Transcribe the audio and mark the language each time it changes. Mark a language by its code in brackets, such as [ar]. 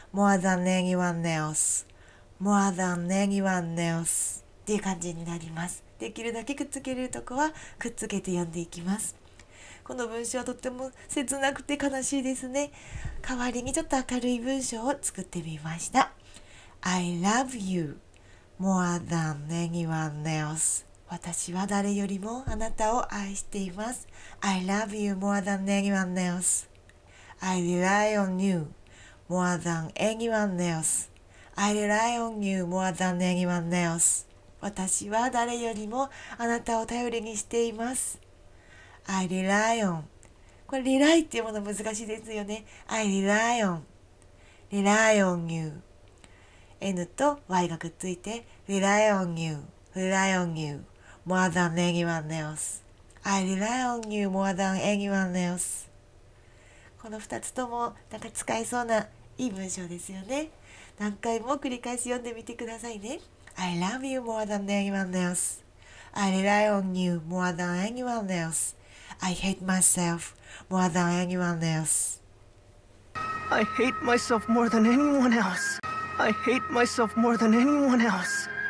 [en] More than anyone else. More than anyone else [ja] っていう感じになります。できるだけくっつけれるとこはくっつけて読んでいきます。この文章はとっても切なくて悲しいですね。代わりにちょっと明るい文章を作ってみました。 [en] I love you more than anyone else. [ja] 私は誰よりもあなたを愛しています。 [en] I love you more than anyone else. I rely on you more than anyone else. I rely on you more than anyone else. [ja] 私は誰よりもあなたを頼りにしています。 [en] I rely on. [ja] これ rely っていうもの難しいですよね。 [en] I rely on. Rely on you. [ja] N と Y がくっついて [en] rely on you. Rely on you more than anyone else. I rely on you more than anyone else. [ja] この2つともなんか使えそうないい文章ですよね。何回も繰り返し読んでみてくださいね。 [en] I love you more than anyone else. I rely on you more than anyone else. I hate myself more than anyone else. I hate myself more than anyone else. I hate myself more than anyone else.